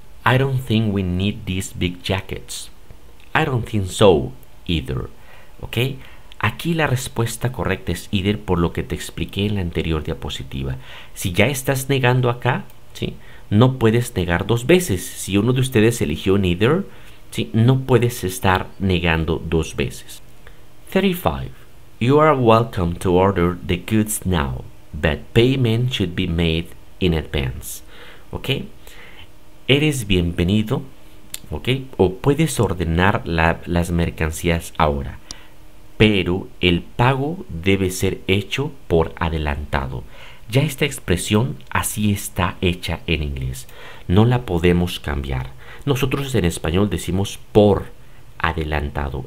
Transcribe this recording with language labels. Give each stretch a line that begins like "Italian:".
English: I don't think we need these big jackets. I don't think so either. ¿Ok?
Spanish: Aquí la respuesta correcta es either, por lo que te expliqué en la anterior diapositiva. Si ya estás negando acá, ¿sí? No puedes negar dos veces. Si uno de ustedes eligió neither, ¿sí? No puedes estar negando dos veces. 35.
English: You are welcome to order the goods now, but payment should be made in advance.
Spanish: ¿Ok? Eres bienvenido, ¿ok? O puedes ordenar las mercancías ahora, pero el pago debe ser hecho por adelantado. Ya esta expresión así está hecha en inglés. No la podemos cambiar. Nosotros en español decimos por adelantado.